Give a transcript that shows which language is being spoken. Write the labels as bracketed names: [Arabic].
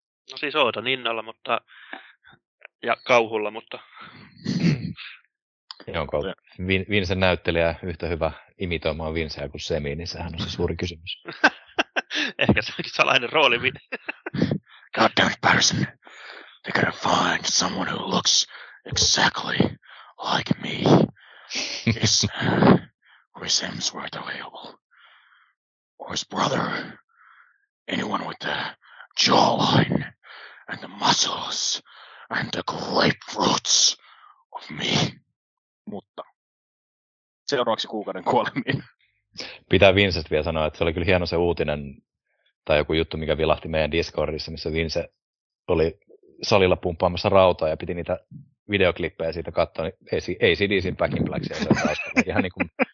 [Finnish] No siis ootan innolla, mutta ja kauhulla, mutta... Onko Vincen näyttelijä yhtä hyvä imitoimaan Vinceä kuin Semi, niin sehän on se suuri kysymys. Ehkä se onkin salainen rooli. [English] God damn it, Patterson. They gotta find someone who looks exactly like me. Is Chris Hemsworth available? Or his brother? Anyone with the jawline and the muscles and the grapefruits of me? [Finnish] Mutta seuraavaksi kuukauden kuolemiin. Pitää Vincent vielä sanoa, että se oli kyllä hieno se uutinen tai joku juttu, mikä vilahti meidän Discordissa, missä Vince oli salilla pumppaamassa rautaa ja piti niitä videoklippejä siitä katsoa, niin ACDCin Back in Black, ihan niin kuin